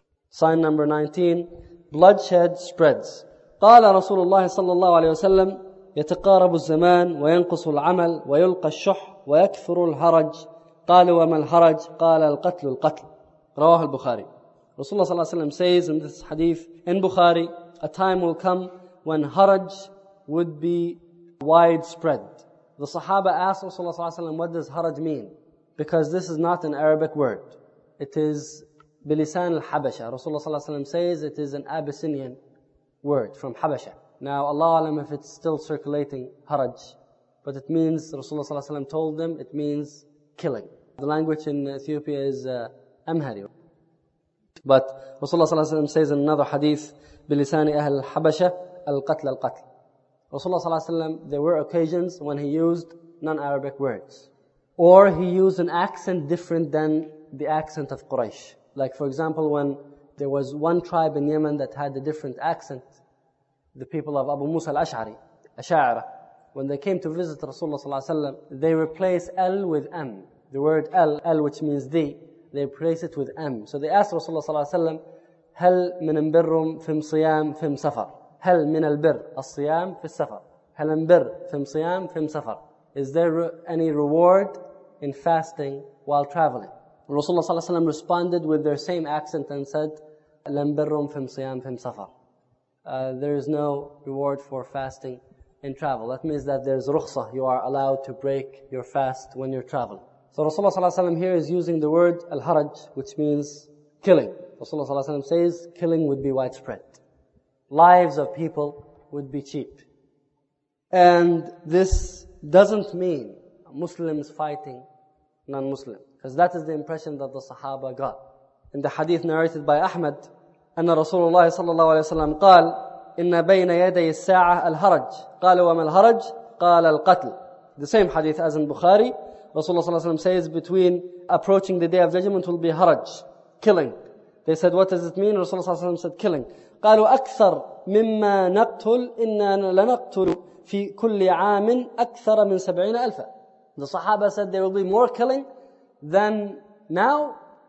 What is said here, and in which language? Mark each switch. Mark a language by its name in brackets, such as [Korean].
[English] Sign number 19, bloodshed spreads. [Arabic] قال رسول الله صلى الله عليه وسلم يتقارب الزمان وينقص العمل ويلقى الشح ويكثر الهرج قال وما الهرج قال القتل القتل رواه البخاري. [English] Rasulullah sallallahu alayhi wa sallam says in this hadith in Bukhari, a time will come when haraj would be widespread. The Sahaba asked Rasulullah sallallahu alayhi wa sallam, what does haraj mean? Because this is not an Arabic word. It is bilisan al-habasha. Rasulullah sallallahu alayhi wa sallam says it is an Abyssinian word from Habasha. Now Allah alam if it's still circulating haraj, but it means, Rasulullah sallallahu alayhi wa sallam told them, it means killing. The language in Ethiopia is Amhari. But Rasulullah sallallahu alayhi wa sallam says in another hadith, [Arabic] بِلِسَانِ أَهْلِ الْحَبَشَةِ الْقَتْلَ الْقَتْلِ. [English] Rasulullah sallallahu alayhi wa sallam, there were occasions when he used non-Arabic words. Or he used an accent different than the accent of Quraysh. Like for example, when there was one tribe in Yemen that had a different accent, the people of Abu Musa al-Ash'ari, Asha'ara, when they came to visit Rasulullah sallallahu alayhi wa sallam, they replaced al with am. The word al, which means the, they place it with M. So they asked Rasulullah sallallahu alayhi wa sallam, [Arabic] هَلْ مِنَ بِرٌّ فِمْ صِيَامْ فِمْ سَفَرْ هَلْ مِنَ الْبِرِّ الصِّيَامْ فِي السَّفَرْ هَلْ مِنَ بِرٌّ فِمْ صِيَامْ فِمْ سَفَرْ. [English] Is there any reward in fasting while traveling? Rasulullah sallallahu alayhi wa sallam responded with their same accent and said, [Arabic] لَمْ بِرٌّ فِمْ صِيَامْ فِمْ سَفَرْ. [English] There is no reward for fasting in travel. That means that there's rukhsah. You are allowed to break your fast when you're traveling. So Rasulullah sallallahu alayhi wa sallam here is using the word al-haraj, which means killing. Rasulullah sallallahu alayhi wa sallam says killing would be widespread. Lives of people would be cheap. And this doesn't mean Muslims fighting non-Muslim, because that is the impression that the Sahaba got. In the hadith narrated by Ahmad, [Arabic] أَنَّ رَسُولُ اللَّهِ صَلَّى اللَّهُ عَلَيْهِ وَسَلَّمْ قَالْ إِنَّ بَيْنَ يَدَيِ السَّاعَةَ الْهَرَجِ قَالُ وَمَا الْهَرَجِ قَالَ الْقَتْلِ. [English] The same hadith as in Bukhari, Rasulullah sallallahu alayhi wa sallam says between approaching the day of judgment will be haraj, killing. They said, what does it mean? Rasulullah sallallahu alayhi wa sallam said killing. [Arabic] قَالُوا أَكْثَرْ مِمَّا نَقْتُلْ إِنَّا لَنَقْتُلُ فِي كُلِّ عَامٍ أَكْثَرَ مِنْ سَبْعِينَ أَلْفًا. [English] The Sahaba said there will be more killing than now.